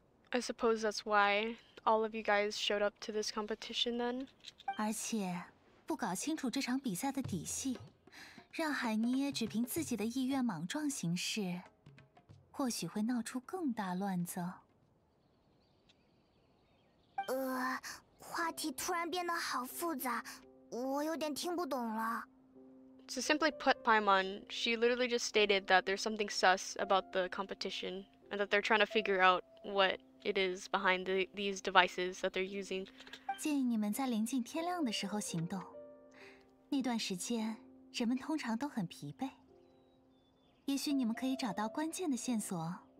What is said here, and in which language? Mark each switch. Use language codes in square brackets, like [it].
[en] ？I suppose that's why all of you guys showed up to this competition then. [zh] 而且，不搞清楚这场比赛的底细，让海尼耶只凭自己的意愿莽撞行事，或许会闹出更大乱子。话题突然变得好复杂，我有点听不懂了。 [en] So simply put, Paimon, she literally just stated that there's something sus about the competition, and that they're trying to figure out what it is behind these devices that they're using. [zh] 建议你们在临近天亮的时候行动。那段时间，人们通常都很疲惫。也许你们可以找到关键的线索。